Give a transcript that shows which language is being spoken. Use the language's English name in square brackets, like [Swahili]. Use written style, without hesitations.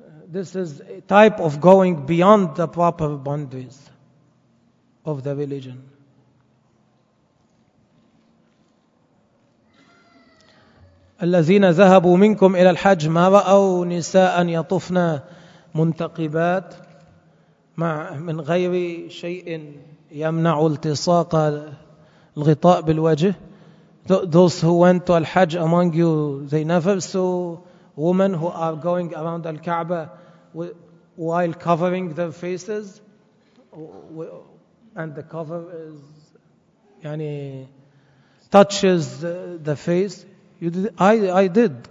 [English] This is a type of going beyond the proper boundaries of the religion. [Arabic] الذين ذهبوا منكم إلى الحج ما رأوا نساء يطفن منتقبات مع من غير شيء يمنع التصاق الغطاء بالوجه. [English] Those who went to al-Hajj among you, they never saw women who are going around al-Kaaba while covering their faces, and the cover is, yani, touches the face. You did? I did.